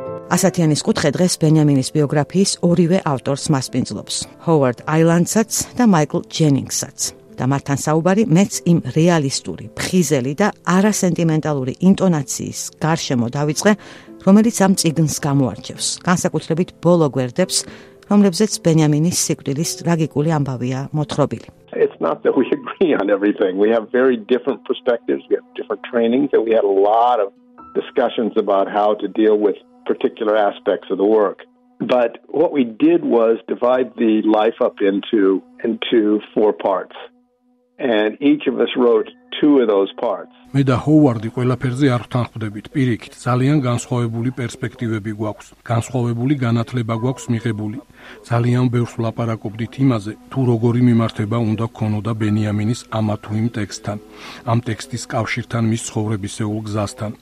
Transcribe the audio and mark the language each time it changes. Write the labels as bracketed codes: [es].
[ka] ასათიანის კუთხე დღეს ბენიამინის ბიოგრაფიის ორივე ავტორს მასპინძლობს, ჰოვარდ აილანდსაც და მაიკლ ჯენინგსაც. და მართან საუბარი მეც იმ რეალისტური, ფხიზელი და არასენტიმენტალური ინტონაციის გარშემო დავიწყე, რომელიც ამ წიგნს გამოარჩევს, განსაკუთრებით ბოლო გვერდებს, რომლებზეც ბენიამინის სიკვდილის ტრაგიკული ამბავია მოთხრობილი. [en] It's not that we agree on everything. We have very different perspectives, we have different trainings, and we had a lot of discussions about how to deal with particular aspects of the work. But what we did was divide the life up into four parts, and each of us wrote two of those parts. [ka] მე და ჰოვარდი ყველაფერზე არ ვთანხმდებით. პირიქით, ძალიან განსხვავებული პერსპექტივები გვაქვს. განსხვავებული განათლება გვაქვს მიღებული. ძალიან ბევრს ვლაპარაკობდით იმაზე, თუ როგორი მიმართება უნდა ქონოდა ბენიამინის ამ თუ იმ ტექსტთან, ამ ტექსტის კავშირთან მის ცხოვრებისეულ გზასთან.